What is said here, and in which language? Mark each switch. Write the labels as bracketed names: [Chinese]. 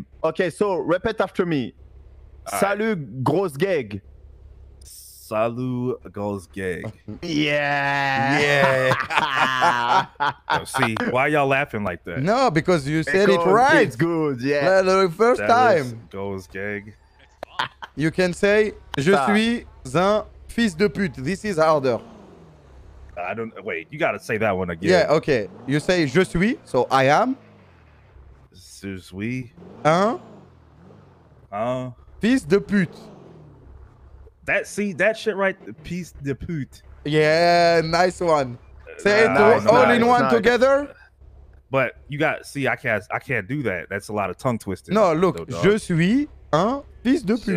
[English] Okay, so repeat after me. Salut, grosse gag. Salut, girls gay. Yeah. See, why are y'all laughing like that? No, because you said it right. It's good, yeah. Well, the first that time. Girls gay. [French] You can say, je suis un fils de pute. [English] This is harder. Wait, you gotta say that one again. Yeah, okay. You say, je suis, so I am. [French] Je suis. Un. Fils de pute. [English] That shit right, piece de pute. Yeah, nice one. Say it all together. But you got, I can't do that. That's a lot of tongue twisting. [French] No, look, je suis un fils de pute.